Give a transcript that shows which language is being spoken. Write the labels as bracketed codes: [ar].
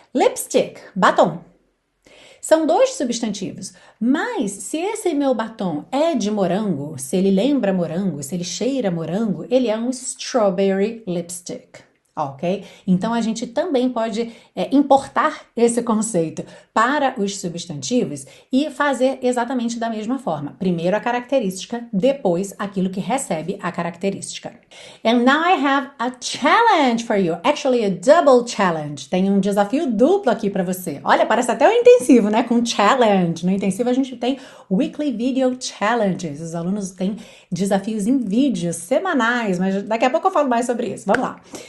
[pt] Lipstick, batom. São dois substantivos, mas se esse meu batom é de morango, se ele lembra morango, se ele cheira morango, ele é um strawberry lipstick. Ok? Então a gente também pode importar esse conceito para os substantivos e fazer exatamente da mesma forma. Primeiro a característica, depois aquilo que recebe a característica. [en] And now I have a challenge for you. Actually, a double challenge. [pt] Tem um desafio duplo aqui para você. Olha, parece até o intensivo, né? Com challenge. No intensivo a gente tem [en] weekly video challenges. [pt] Os alunos têm desafios em vídeos semanais, mas daqui a pouco eu falo mais sobre isso. Vamos lá.